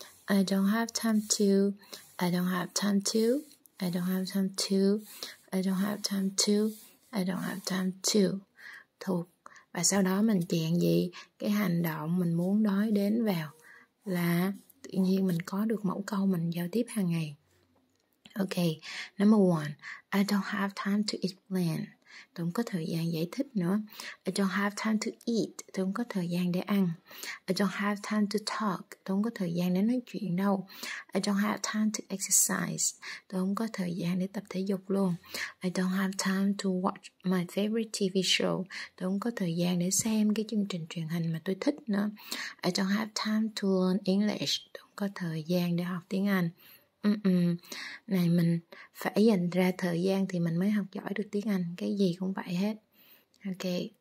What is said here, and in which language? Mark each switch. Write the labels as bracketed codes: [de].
[en] I don't have time to. I don't have time to. I don't have time to. I don't have time to. I don't have time to. [vi] Thuộc. Và sau đó mình chèn gì? Cái hành động mình muốn nói đến vào là tự nhiên mình có được mẫu câu mình giao tiếp hàng ngày. [en] Ok, number one, I don't have time to explain. [vi] Tôi không có thời gian giải thích nữa. [en] I don't have time to eat. [vi] Tôi không có thời gian để ăn. [en] I don't have time to talk. [vi] Tôi không có thời gian để nói chuyện đâu. [en] I don't have time to exercise. [vi] Tôi không có thời gian để tập thể dục luôn. [en] I don't have time to watch my favorite TV show. [vi] Tôi không có thời gian để xem cái chương trình truyền hình mà tôi thích nữa. [en] I don't have time to learn English. [vi] Tôi không có thời gian để học tiếng Anh. Này mình phải dành ra thời gian thì mình mới học giỏi được tiếng Anh. Cái gì cũng vậy hết. Ok.